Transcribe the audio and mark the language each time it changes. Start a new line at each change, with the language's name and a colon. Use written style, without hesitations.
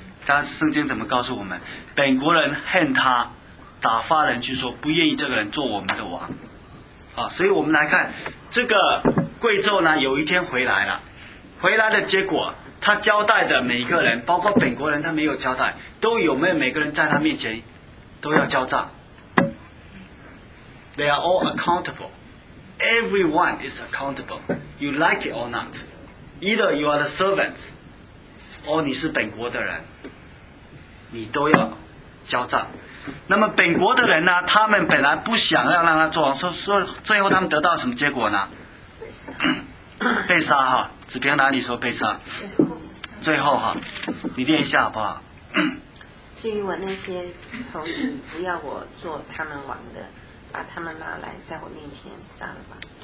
Chinese: 但圣经怎么告诉我们？本国人恨他，打发人去说，不愿意这个人做我们的王。啊，所以我们来看这个贵胄呢，有一天回来了，回来的结果，他交代的每个人，包括本国人，他没有交代，都有没有每个人在他面前都要交账。
English: They are all accountable. Everyone is accountable. You like it or not. Either you are the servants, or
Chinese: 你是本国的人，你都要交账。那么本国的人呢，他们本来不想要让他做王，说最后他们得到什么结果呢？被杀。被杀哈，子平哪里说被杀？最后哈，你念一下好不好？至于我那些仇敌不要我做他们王的，把他们拿来在我面前杀了吧。